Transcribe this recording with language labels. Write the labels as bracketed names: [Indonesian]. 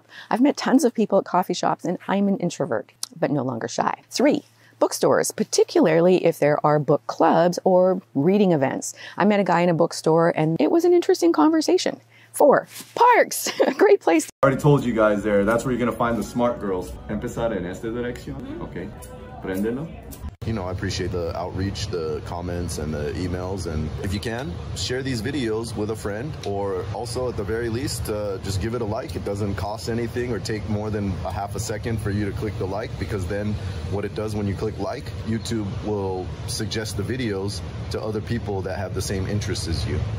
[English] I've met tons of people at coffee shops and I'm an introvert, but no longer shy. 3, bookstores, particularly if there are book clubs or reading events. I met a guy in a bookstore and it was an interesting conversation. 4, parks, a great place. I already told you guys there, that's where you're gonna find the smart girls. [Spanish] Empezar en esta dirección, okay, prendelo. [English] You know, I appreciate the outreach, the comments and the emails. And if you can, share these videos with a friend or also at the very least, just give it a like. It doesn't cost anything or take more than a half a second for you to click the like, because then what it does when you click like, YouTube will suggest the videos to other people that have the same interests as you.